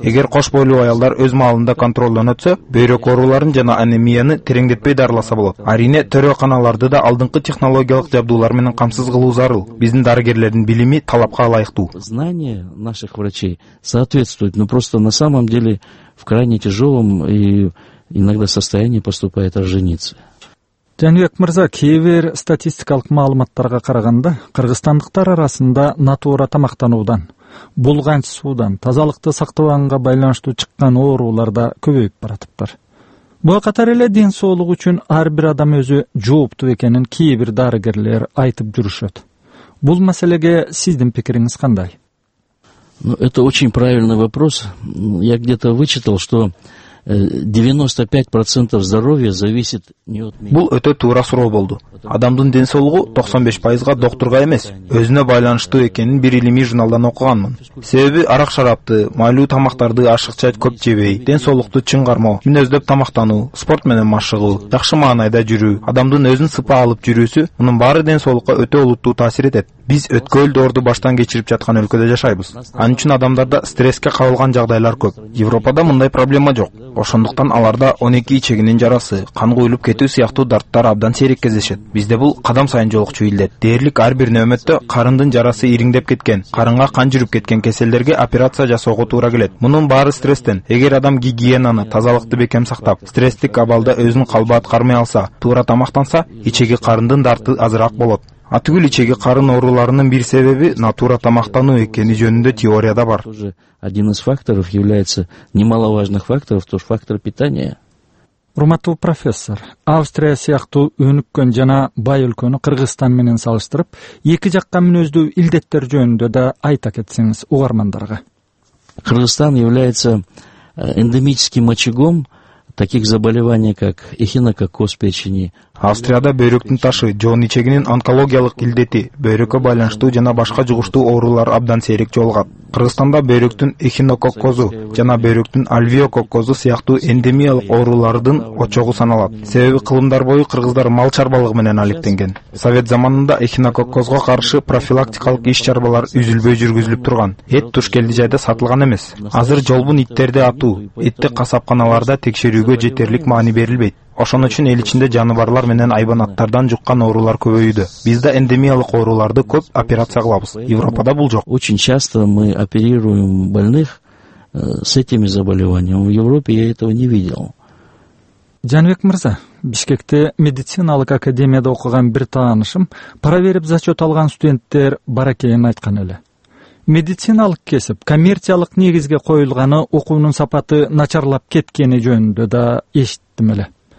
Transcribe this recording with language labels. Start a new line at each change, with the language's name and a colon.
Kyrgyz: Эгер кош бойлуу аялдар өз маалында контролдонотсо, бөйрөк ооруларын жана анемияны тереңдетпей дарыласа болот. Арине төрөканаларды да алдыңкы технологиялык жабдуулар менен камсыз кылуу зарыл. Биздин дарыгерлердин билими талапка ылайыктуу.
Russian: Знание наших врачей соответствует. Но просто на самом деле в крайне тяжелом и иногда состоянии поступает роженица.
Kyrgyz: Жанбек Мырза, кээбир статистикалык маалыматтарга караганда, кыргызстандыктар арасында натура тамактануудан, булганч суудан, тазалыкты сактабаганга байланыштуу чыккан оорулар да көбөйүп баратыптыр. Буга катар эле ден соолугу үчүн ар бир адам өзү жооптуу экенин кээбир дарыгерлер айтып жүрүшөт. Бул маселеге сиздин пикириңиз кандай?
Russian: Ну, это очень правильный вопрос. Я где-то вычитал, что 95% здоровья зависит не от меня.
Kyrgyz: Бул өтө туура суроо болду. Адамдын ден соолугу 95%га докторга эмес, өзүнө байланыштуу экенин бир илимий журналдан окуганмын. Себеби арак шарапты, майлуу тамактарды ашыкча көп жебей, ден соолукту чың кармоо, мүнөздөп тамактануу, спорт менен машыгуу, жакшы маанайда жүрүү, адамдын өзүн сыпа алып жүрүүсү, мунун баары ден соолукка өтө олуттуу таасир этет. Биз өткөл доорду баштан кечирип жаткан өлкөдө жашайбыз. Ан үчүн адамдарда стресске кабылган жагдайлар көп. Европада мындай проблема жок. Ошондуктан аларда 12 ичегинин жарасы, кан куюлуп кетүү сыяктуу дарттар абдан сейрек кездешет. Бизде бул кадам сайын жолукчу илдет. Дээрлик ар бир нөөмөттө карындын жарасы ириңдеп кеткен, карынга кан жүрүп кеткен кеселдерге операция жасоого туура келет. Мунун баары стресстен. Эгер адам гигиенаны, тазалыкты бекем сактап, стресстик абалда өзүн калба аткармай алса, туура тамактанса, ичеги карындын дарты азыраак болот. Атыгүл ичеги карын ооруларынын бир себеби натура тамактануу экени жөнүндө теорияда бар.
Russian: Один из факторов является немаловажных факторов, то есть фактор питания.
Kyrgyz: Урматтуу профессор, Австрия сыяктуу өнүккөн жана бай өлкөнү Кыргызстан менен салыштырып, эки жакка мүнөздүү илдеттер жөнүндө да айта кетсеңиз угармандарга.
Russian: Кыргызстан является эндемическим очагом таких заболеваний, как эхинококкоз печени.
Kyrgyz: Австрияда бөйрөктүн ташы, жоон ичегинин онкологиялык илдети, бөйрөккө байланыштуу жана башка жугуштуу оорулар абдан сейрек жолугат. Кыргызстанда бөйрөктүн эхинококкозу жана бөйрөктүн альвеококкозу сыяктуу эндемиялык оорулардын очогу саналат. Себеби кылымдар бою кыргыздар мал чарбалыгы менен алектенген. Совет заманында эхинококкозго каршы профилактикалык иш-чарбалар үзүлбөй жүргүзүлүп турган. Эт туш келди жайда сатылган эмес. Азыр жолбун иттерди атуу, этти касапканаларда текшерүүгө жетерлик маани берилбейт. Ошон үчүн эл ичинде жаныбарлар менен айбанаттардан жуккан оорулар көбөйүүдө. Бизде эндемиялык ооруларды көп операция кылабыз. Европада бул жок.
Russian: Очень часто мы оперируем больных с этими заболеваниями. В Европе я этого не видел.
Kyrgyz: Жанбек Мырза, Бишкекте медициналык академияда окуган бир таанышым проверип зачет алган студенттер бар экенин айткан эле. Медициналык кесип коммерциялык негизге коюлганы окуунун сапаты начарлап кеткени жөнүндө да эшиттим эле.